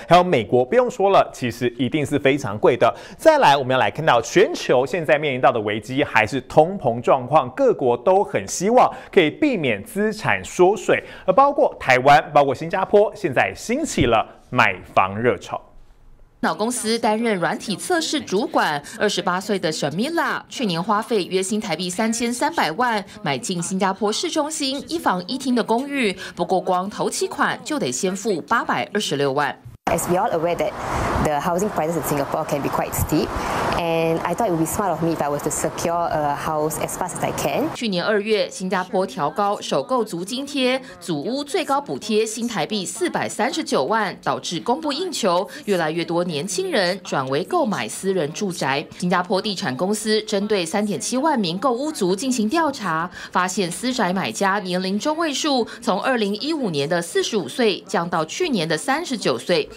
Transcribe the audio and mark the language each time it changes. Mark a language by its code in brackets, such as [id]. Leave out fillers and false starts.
[zh] 还有美国不用说了，其实一定是非常贵的。再来，我们要来看到全球现在面临到的危机还是通膨状况，各国都很希望可以避免资产缩水，而包括台湾、包括新加坡，现在兴起了买房热潮。脑公司担任软体测试主管，28岁的 Shamila 去年花费约新台币3300万买进新加坡市中心一房一厅的公寓，不过光头期款就得先付826万。 [en] As we all aware that the housing prices in Singapore can be quite steep, and I thought it would be smart of me if I was to secure a house as fast as I can. [zh] 去年二月，新加坡调高首购族津贴，祖屋最高补贴新台币439万，导致供不应求，越来越多年轻人转为购买私人住宅。新加坡地产公司针对3.7万名购屋族进行调查，发现私宅买家年龄中位数从2015年的45岁降到去年的39岁。